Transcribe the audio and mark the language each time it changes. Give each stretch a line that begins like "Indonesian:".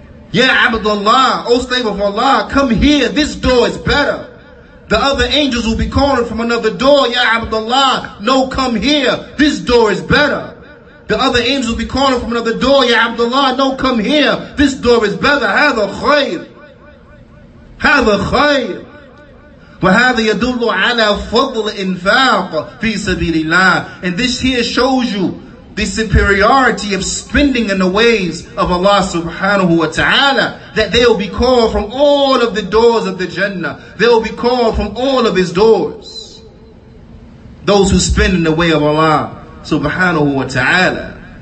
English: Ya Abdullah, O slave of Allah, come here, this door is better. The other angels will be calling from another door, Ya Abdullah, no, come here, this door is better. The other angels will be calling from another door, Ya Abdullah, no, come here, this door is better.
Arabic: هذا خير. هذا خير. وهذا يدل على فضل إنفاق في سبيل الله.
English: And this here shows you the superiority of spending in the ways of Allah subhanahu wa ta'ala, that they will be called from all of the doors of the Jannah. They will be called from all of His doors, those who spend in the way of Allah subhanahu wa ta'ala.